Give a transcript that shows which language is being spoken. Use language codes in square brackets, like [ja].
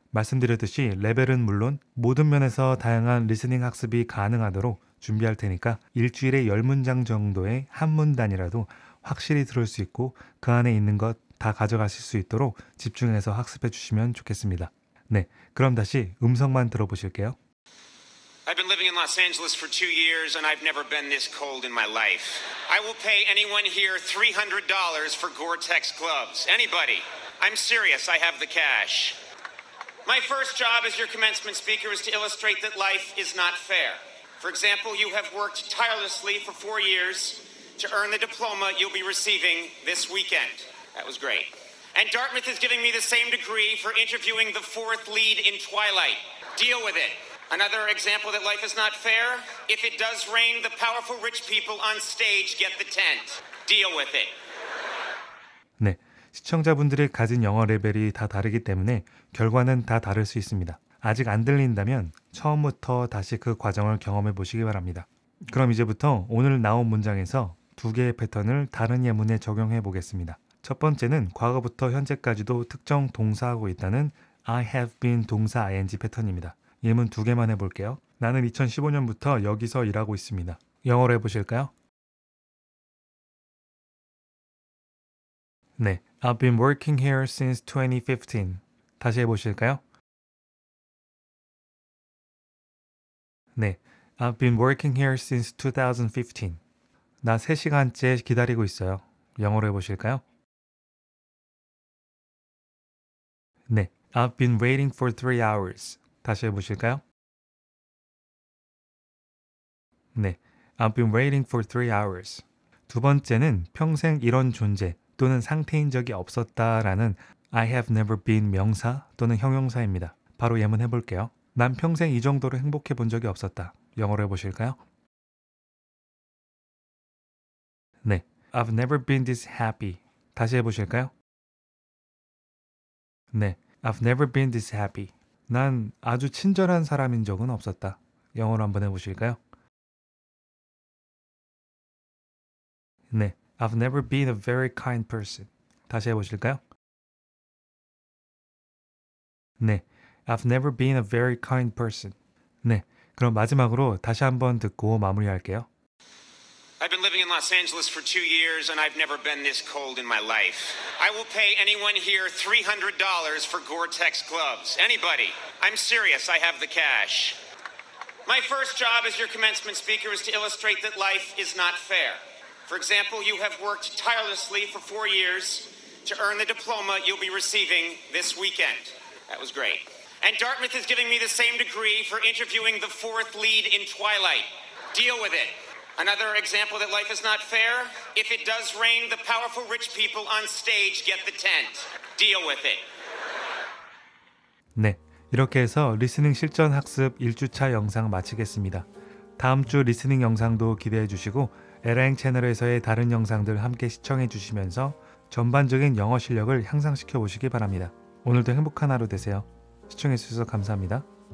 [ko] 말씀드렸듯이 레벨은 물론 모든 면에서 다양한 리스닝 학습이 가능하도록 준비할 테니까 일주일에 10문장 정도의 한 문단이라도 확실히 들을 수 있고 그 안에 있는 것 다 가져가실 수 있도록 집중해서 학습해 주시면 좋겠습니다. 네, 그럼 다시 음성만 들어보실게요. [en] I've been living in Los Angeles for 2 years and I've never been this cold in my life. I will pay anyone here $300 for Gore-Tex gloves. Anybody. I'm serious. I have the cash. My first job as your commencement speaker is to illustrate that life is not fair. For example, you have worked tirelessly for 4 years to earn the diploma you'll be receiving this weekend. That was great. And Dartmouth is giving me the same degree for interviewing the fourth lead in Twilight. Deal with it. Another example that life is not fair. If it does rain, the powerful rich people on stage get the tent. Deal with it. [ko] 네, 시청자분들이 가진 영어 레벨이 다 다르기 때문에 결과는 다 다를 수 있습니다. 아직 안 들린다면 처음부터 다시 그 과정을 경험해 보시기 바랍니다. 그럼 이제부터 오늘 나온 문장에서 두 개의 패턴을 다른 예문에 적용해 보겠습니다. 첫 번째는 과거부터 현재까지도 특정 동사하고 있다는 [en] I have been [ko] 동사 ing 패턴입니다. 예문 두 개만 해볼게요. 나는 2015년부터 여기서 일하고 있습니다. 영어로 해보실까요? [en] 네, I've been working here since 2015. [ko] 다시 해보실까요? [en] 네, I've been working here since 2015. [ko] 나 3시간째 기다리고 있어요. 영어로 해보실까요? [en] 네, I've been waiting for 3 hours. [ko] 다시 해보실까요? [en] 네, I've been waiting for 3 hours. [ko] 두 번째는 평생 이런 존재 또는 상태인 적이 없었다라는 [en] I have never been [ko] 명사 또는 형용사입니다. 바로 예문 해볼게요. 난 평생 이 정도로 행복해 본 적이 없었다. 영어로 해보실까요? [en] 네, I've never been this happy. [ko] 다시 해보실까요? [en] 네, I've never been this happy. [ko] 난 아주 친절한 사람인 적은 없었다. 영어로 한번 해보실까요? [en] 네, I've never been a very kind person. [ko] 다시 해보실까요? 네, [en] I've never been a very kind person. [ko] 네, 그럼 마지막으로 다시 한번 듣고 마무리할게요. [en] I've been living in Los Angeles for 2 years and I've never been this cold in my life. I will pay anyone here $300 for Gore-Tex gloves. Anybody. I'm serious. I have the cash. My first job as your commencement speaker is to illustrate that life is not fair. For example, you have worked tirelessly for 4 years to earn the diploma you'll be receiving this weekend. That was great. And Dartmouth is giving me the same degree for interviewing the fourth lead in Twilight. Deal with it. Another example that life is not fair, if it does rain, the powerful rich people on stage get the tent. Deal with it. [ko] 네, 이렇게 해서 리스닝 실전 학습 1주차 영상 마치겠습니다. 다음 주 리스닝 영상도 기대해 주시고 LAng 채널에서의 다른 영상들 함께 시청해 주시면서 전반적인 영어 실력을 향상시켜 보시기 바랍니다. 오늘도 행복한 하루 되세요. 시청해 주셔서 감사합니다.